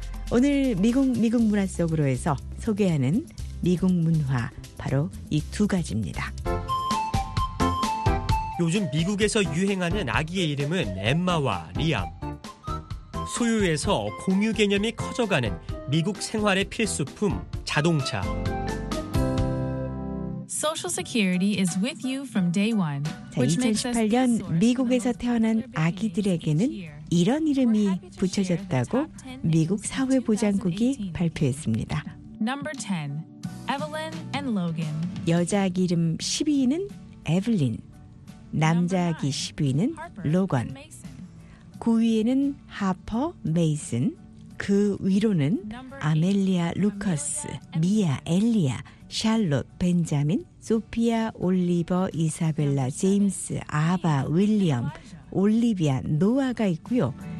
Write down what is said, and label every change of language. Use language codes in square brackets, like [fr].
[ko] 오늘 미국 문화 속으로 해서 소개하는 미국 문화 바로 이 두 가지입니다. 요즘 미국에서 유행하는 아기의 이름은 엠마와 리암. 소유에서 공유 개념이 커져가는 미국 생활의 필수품 자동차. [en] Social Security is with you from day one. [ko] 자, 2018년 미국에서 태어난 아기들에게는 이런 이름이 붙여졌다고 미국 사회보장국이 발표했습니다. [en] Number 10, Evelyn and Logan. [ko] 여자 아기 이름 12위는 에블린, 남자 아기 12위는 로건, 9위에는 하퍼 메이슨, 그 위로는 아멜리아 루커스, 미아 엘리아, 샬롯, 벤자민, 소피아, 올리버, 이사벨라, 제임스, 아바, 윌리엄, 올리비아, 노아가 있고요.